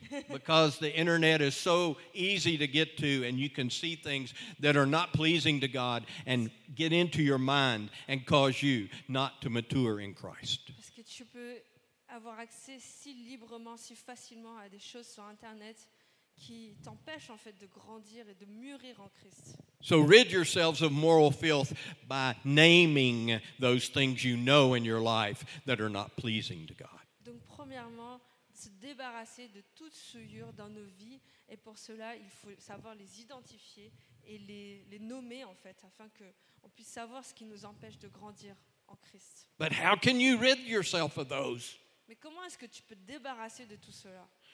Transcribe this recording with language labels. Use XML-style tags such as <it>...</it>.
<en>Because the internet is so easy to get to and you can see things that are not pleasing to God and get into your mind and cause you not to mature in Christ.</en> <fr>Parce que tu peux avoir accès si librement, si facilement à des choses sur internet qui t'empêchent en fait de grandir et de mûrir en Christ.</fr> <en>So rid yourselves of moral filth by naming those things you know in your life that are not pleasing to God.</en> <fr>Donc premièrement, se débarrasser de toute souillure dans nos vies, et pour cela il faut savoir les identifier et les nommer en fait, afin que on puisse savoir ce qui nous empêche de grandir en Christ.</fr> <en>But how can you rid yourself of those?</en> <fr>Mais comment est-ce que tu peux te débarrasser de tout cela?</fr>